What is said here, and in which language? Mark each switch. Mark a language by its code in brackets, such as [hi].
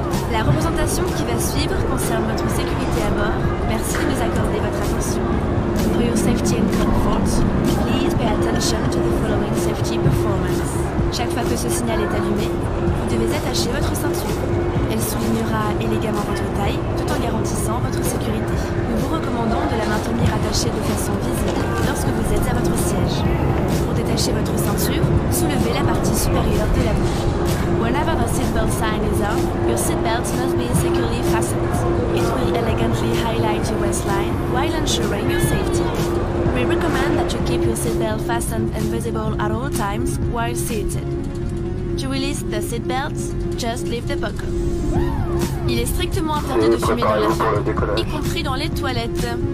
[fr] La représentation qui va suivre concerne votre sécurité à bord. Merci de nous accorder votre attention. [en] For your safety and comfort, please pay attention to the following safety performance. [fr] Chaque fois que ce signal est allumé, vous devez attacher votre ceinture. Elle soulignera élégamment votre taille tout en garantissant votre sécurité. Nous vous recommandons de la maintenir attachée de façon visible lorsque vous êtes à votre siège. Pour détacher votre ceinture, soulevez la partie supérieure de la bouche. [en] Whenever the seatbelt sign is on, your seatbelt must be securely fastened. It will elegantly highlight your waistline while ensuring your safety. We recommend that you keep your seatbelt fastened and visible at all times while seated. To release the seatbelt, just leave the buckle. [fr] Il est strictement interdit de fumer dans l'avion, y compris dans les toilettes.